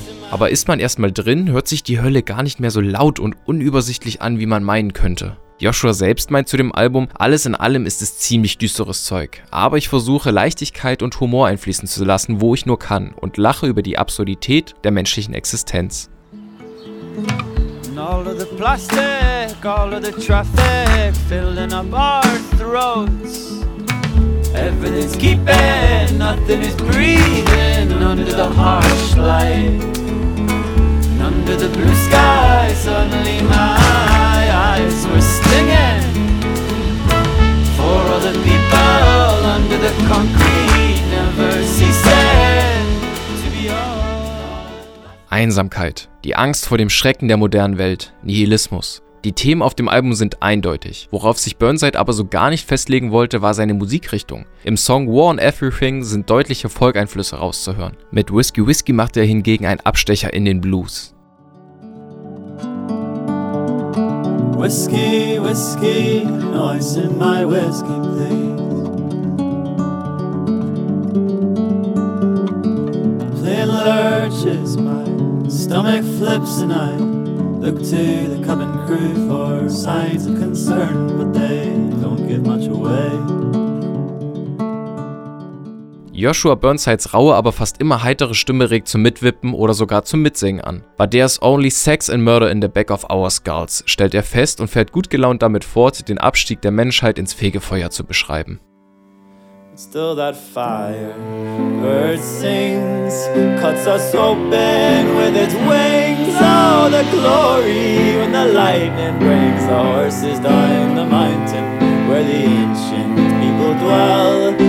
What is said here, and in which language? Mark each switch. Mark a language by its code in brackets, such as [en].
[de] Aber ist man erstmal drin, hört sich die Hölle gar nicht mehr so laut und unübersichtlich an, wie man meinen könnte. Joshua selbst meint zu dem Album, alles in allem ist es ziemlich düsteres Zeug, aber ich versuche Leichtigkeit und Humor einfließen zu lassen, wo ich nur kann, und lache über die Absurdität der menschlichen Existenz. [en] All of the plastic, all of the traffic, filling up our throats. Everything's keeping, nothing is breathing under the harsh light. And under the blue sky, suddenly my eyes were stinging. For all the people under the concrete, never ceasing to be all. [de] Einsamkeit. Die Angst vor dem Schrecken der modernen Welt, Nihilismus. Die Themen auf dem Album sind eindeutig. Worauf sich Burnside aber so gar nicht festlegen wollte, war seine Musikrichtung. Im Song War on Everything sind deutliche Folkeinflüsse rauszuhören. Mit Whiskey Whiskey macht er hingegen einen Abstecher in den Blues. [en] Whiskey, Whiskey, noise in my whiskey, please. Plain lurches my stomach flips and I look to the cabin crew for signs of concern, but they don't give much away. [de] Joshua Burnsides raue, aber fast immer heitere Stimme regt zum Mitwippen oder sogar zum Mitsingen an. [en] But there's only sex and murder in the back of our skulls, [de] stellt er fest und fährt gut gelaunt damit fort, den Abstieg der Menschheit ins Fegefeuer zu beschreiben. [en] Still that fire bird sings, cuts us open with its wings. Oh, the glory when the lightning brings the horses down the mountain where the ancient people dwell.